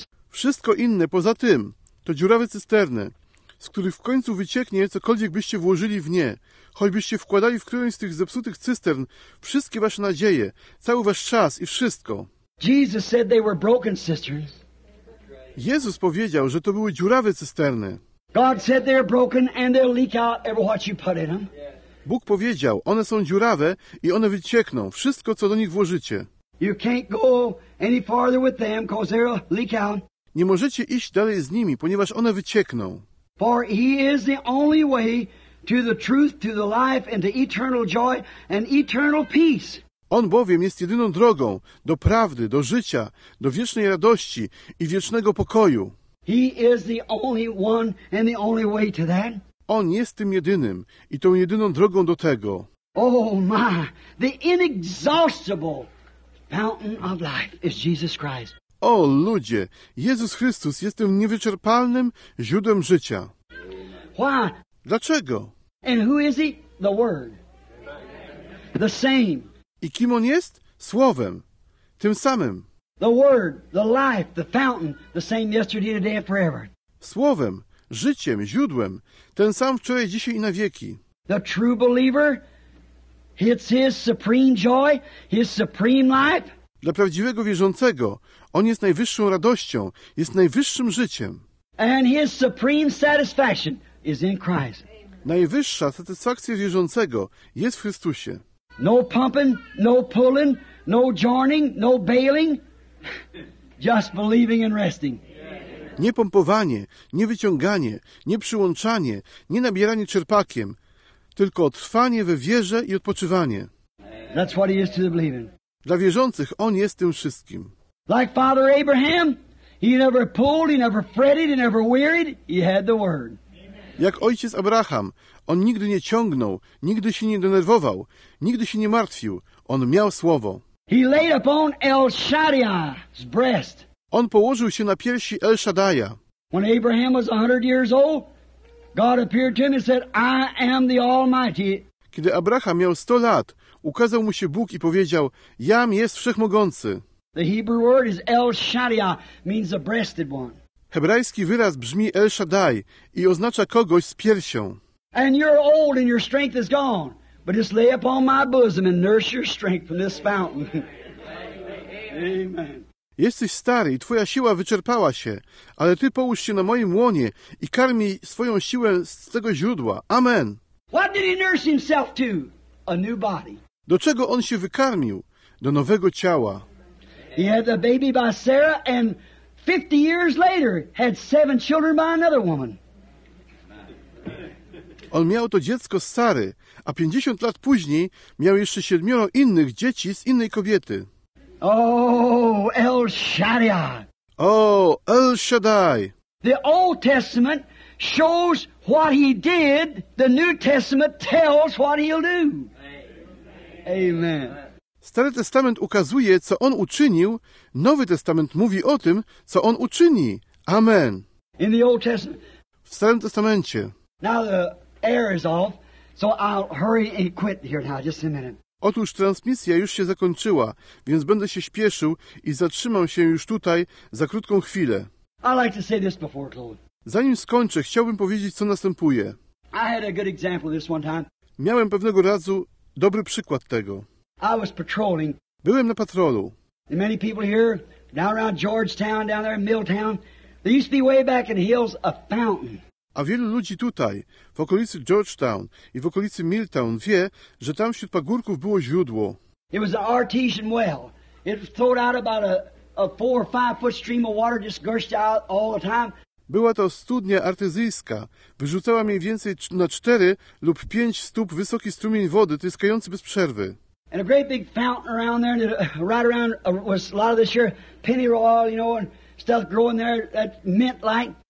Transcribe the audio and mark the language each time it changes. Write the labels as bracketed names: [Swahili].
[Polish] Wszystko inne poza tym to dziurawe cysterny, z których w końcu wycieknie cokolwiek byście włożyli w nie, choćbyście wkładali w którąś z tych zepsutych cystern wszystkie wasze nadzieje, cały wasz czas i wszystko. [English] Jesus said they were broken cisterns. [Polish] Jezus powiedział, że to były dziurawe cysterny. [English] God said they're broken and they'll leak out every what you put in them. [Polish] Bóg powiedział, one są dziurawe i one wyciekną wszystko, co do nich włożycie. [English] You can't go any farther with them, 'cause they'll leak out. [Polish] Nie możecie iść dalej z nimi, ponieważ one wyciekną. [English] For he is the only way to the truth, to the life and to eternal joy and eternal peace. [Polish] On bowiem jest jedyną drogą do prawdy, do życia, do wiecznej radości i wiecznego pokoju. [English] He is the only one and the only way to that. [Polish] On jest tym jedynym i tą jedyną drogą do tego. [English] Oh my, the inexhaustible fountain of life is Jesus Christ. [Polish] O ludzie, Jezus Chrystus jest tym niewyczerpalnym źródłem życia. [English] Why? [Polish] Dlaczego? [English] And who is he? The Word. The same. [Polish] I kim on jest? Słowem. Tym samym. [English] The Word, the life, the fountain, the same yesterday, today and forever. [Polish] Słowem. Życiem, źródłem, ten sam wczoraj, dzisiaj i na wieki. [English] The true believer, it's his supreme joy, his supreme life. [Polish] Dla prawdziwego wierzącego, on jest najwyższą radością, jest najwyższym życiem. [English] And his supreme satisfaction is in Christ. [Polish] Najwyższa satysfakcja wierzącego jest w Chrystusie. [English] No pumping, no pulling, no joining, no bailing, just believing and resting. [Polish] Nie pompowanie, nie wyciąganie, nie przyłączanie, nie nabieranie czerpakiem, tylko trwanie we wierze i odpoczywanie. [English] That's what he is to the believing. [Polish] Dla wierzących on jest tym wszystkim. [English] Like Father Abraham, he never pulled, he never fretted, he never wearied, he had the word. [Polish] Jak ojciec Abraham, on nigdy nie ciągnął, nigdy się nie denerwował, nigdy się nie martwił, on miał słowo. [English] He laid upon El Shaddai's breast. [Polish] On położył się na piersi El Shaddaja. [English] When Abraham was 100 years old, God appeared to him and said, I am the Almighty. [Polish] Kiedy Abraham miał 100 lat, ukazał mu się Bóg i powiedział, Jam jest Wszechmogący. [English] The Hebrew word is El Shaddai, means the breasted one. [Polish] Hebrajski wyraz brzmi El Shaddai i oznacza kogoś z piersią. [English] And you're old and your strength is gone, but just lay upon my bosom and nurse your strength from this fountain. Amen. [Polish] Jesteś stary i twoja siła wyczerpała się, ale ty połóż się na moim łonie i karmij swoją siłę z tego źródła. [English] Amen. What did he nurse himself to? A new body. [Polish] Do czego on się wykarmił? Do nowego ciała. [English] He had a baby by Sarah and 50 years later had 7 children by another woman. [Polish] On miał to dziecko z Sary, a 50 lat później miał jeszcze 7 innych dzieci z innej kobiety. [English] Oh, El Shaddai. Oh, El Shaddai. The Old Testament shows what he did. The New Testament tells what he'll do. Amen. [Polish] Stary Testament ukazuje, co on uczynił. Nowy Testament mówi o tym, co on uczyni. Amen. [English] In the Old Testament. [Polish] W Starym Testamencie. [English] Now the air is off, so I'll hurry and quit here now, just a minute. [Polish] Otóż transmisja już się zakończyła, więc będę się śpieszył i zatrzymam się już tutaj za krótką chwilę. [English] I'd like to say this before closing. [Polish] Zanim skończę, chciałbym powiedzieć, co następuje. [English] I had a good example this one time. [Polish] Miałem pewnego razu dobry przykład tego. [English] I was patrolling. [Polish] Byłem na patrolu. [English] And many people here, down around Georgetown, down there in Milltown, there used to be way back in the hills a fountain. [Polish] A wielu ludzi tutaj, w okolicy Georgetown i w okolicy Milltown, wie, że tam wśród pagórków było źródło. [English] It was an artesian well. It flowed out about a 4 or 5 foot stream of water, just gushed out all the time. [Polish] Była to studnia artezyjska. Wyrzucała mniej więcej na 4 lub 5 stóp wysoki strumień wody, tryskający bez przerwy. [English] And a great big fountain around there, and it, right around was a lot of this year, pennyroyal, you know, and stuff growing there, that mint-like.